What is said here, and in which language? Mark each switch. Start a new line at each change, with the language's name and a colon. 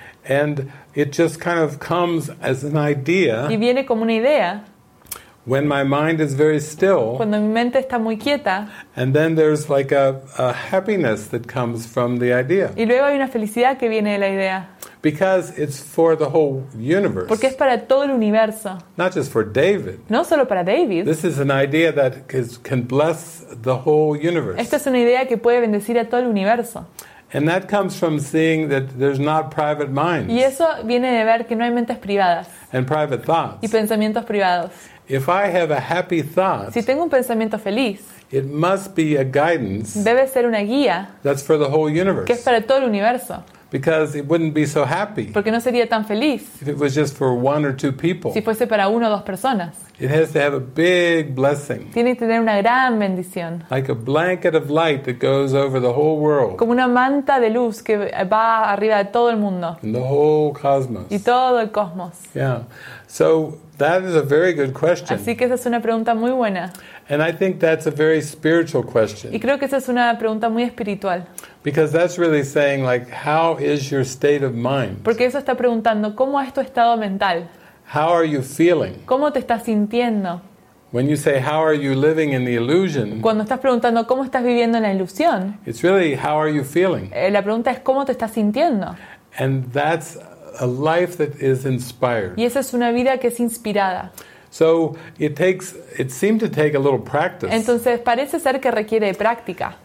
English: And it just kind of comes as an idea.
Spanish: Y viene como una idea.
English: When my mind is very still.
Spanish: Cuando mi mente está muy quieta.
English: And then there's like a happiness that comes from the idea.
Spanish: Y luego hay una felicidad que viene de la idea.
English: Because it's for the whole universe.
Spanish: Porque es para todo el universo.
English: Not just for David.
Spanish: No solo para David.
English: This is an idea that can bless the whole universe.
Spanish: Esta es una idea que puede bendecir a todo el universo.
English: And that comes from seeing that there's not private minds.
Spanish: Y eso viene de ver que no hay mentes privadas.
English: And private thoughts.
Spanish: Y pensamientos privados.
English: If I have a happy thought,
Spanish: si tengo un pensamiento feliz,
English: it must be a guidance.
Spanish: Debe ser una guía.
English: That's for the whole universe.
Spanish: Que es para todo el universo.
English: Because it wouldn't be so happy.
Spanish: Porque no sería tan feliz.
English: If it was just for one or two people.
Spanish: Si fuese para uno o dos personas.
English: It has to have a big blessing.
Spanish: Tiene que tener una gran bendición.
English: Like a blanket of light that goes over the whole world.
Spanish: Como una manta de luz que va arriba de todo el mundo.
English: And the whole cosmos.
Spanish: Y todo el cosmos.
English: Yeah. So that is a very good question.
Spanish: Así que esa es una pregunta muy buena.
English: And I think that's a very spiritual question.
Spanish: Y creo que esa es una pregunta muy espiritual.
English: Because that's really saying, like, how is your state of mind?
Spanish: Porque eso está preguntando, ¿cómo es tu estado mental?
English: How are you feeling?
Spanish: ¿Cómo te estás sintiendo?
English: When you say, how are you living in the illusion?
Spanish: Cuando estás preguntando, ¿cómo estás viviendo en la ilusión?
English: It's really, how are you feeling?
Spanish: La pregunta es, ¿cómo te estás sintiendo?
English: And that's a life that is inspired.
Spanish: Y esa es una vida que es inspirada.
English: So it seemed to take a little practice.
Spanish: Entonces parece ser que requiere de práctica.